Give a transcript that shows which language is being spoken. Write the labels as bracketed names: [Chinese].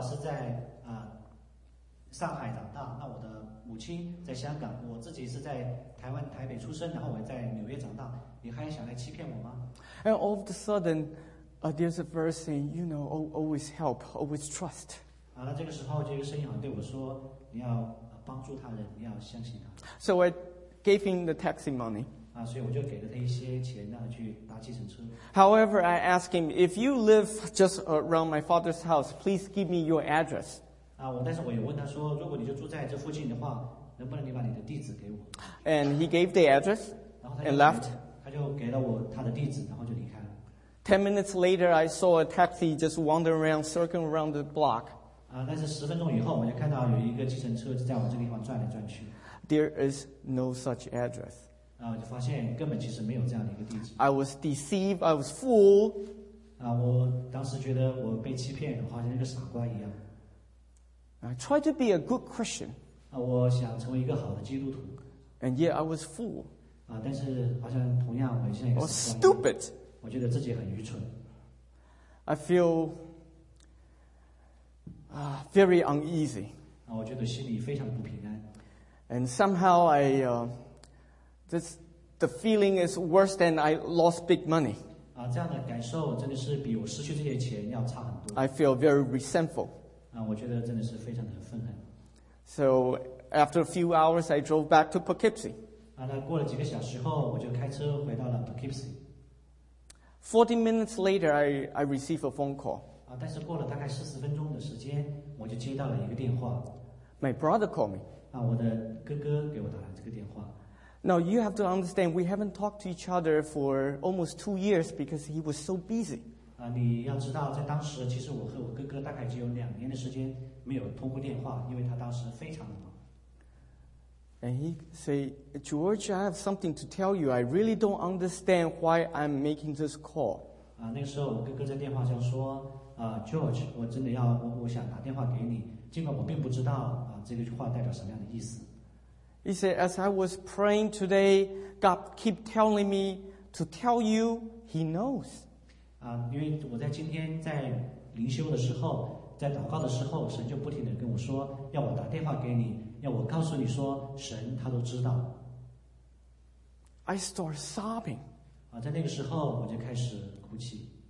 [Chinese] 那个时候我就想说啊，我的爸爸是在上海长大。那我的母亲在香港，我自己是在台湾台北出生，然后我在纽约长大。你还想来欺骗我吗 [English] ？And all of a sudden, there's a verse saying, you know, always help, always trust. [Chinese] 啊，那这个时候就一个声音好像对我说。你要帮助他人，你要相信他。 [English] So I gave him the taxi money. [Chinese] 啊，所以我就给了他一些钱，让他去搭计程车。 [English] However, I asked him, if you live just around my father's house, please give me your address. [Chinese] 啊，但是我也问他说，如果你就住在这附近的话，能不能你把你的地址给我 [English] ？And he gave the address and left. [Chinese] 他就给了我他的地址，然后就离开了。 [English] 10 minutes later, I saw a taxi just wandering around, circling around the block. [Chinese] 但是十分钟以后，我就看到有一个计程车在我这个地方转来转去。 [English] There is no such address. [Chinese] 我就发现根本其实没有这样的一个地址。 [English] I was deceived. I was fooled. [Chinese] 我当时觉得我被欺骗，我好像一个傻瓜一样。 [English] I tried to be a good Christian. [Chinese] 我想成为一个好的基督徒。 [English] And yet I was fooled. [Chinese] 但是好像同样，我现在也是。 [English] I was stupid. [Chinese] 我觉得自己很愚蠢。 [English] I feel. Very uneasy. [Chinese] 我觉得心里非常不平安。 [English] And somehow the feeling is worse than I lost big money. [Chinese] 这样的感受真的是比我失去这些钱要差很多。 [English] I feel very resentful. [Chinese] 我觉得真的是非常的愤恨。 [English] So after a few hours, I drove back to Poughkeepsie. [Chinese] 那过了几个小时后，我就开车回到了 Poughkeepsie. [English] 40 minutes later, I received a phone call. [Chinese] 但是过了大概40分钟的时间，我就接到了一个电话。 [English] My brother called me. [Chinese] 我的哥哥给我打了这个电话。 [English] Now you have to understand, we haven't talked to each other for almost 2 years because he was so busy. [Chinese] 你要知道，在当时其实我和我哥哥大概只有2年的时间没有通过电话，因为他当时非常的忙。 [English] And he said, George, I have something to tell you. I really don't understand why I'm making this call. [Chinese] 那个时候我哥哥在电话上说。George, 我真的要 我想打电话给你，尽管我并不知道这个话代表什么样的意思。 [English] He said, as I was praying today, God keep telling me to tell you He knows. [Chinese] 因为我在今天在灵修的时候，在祷告的时候，神就不停地跟我说，要我打电话给你，要我告诉你说，神他都知道。 [English] I start sobbing. [Chinese] 在那个时候我就开始哭泣。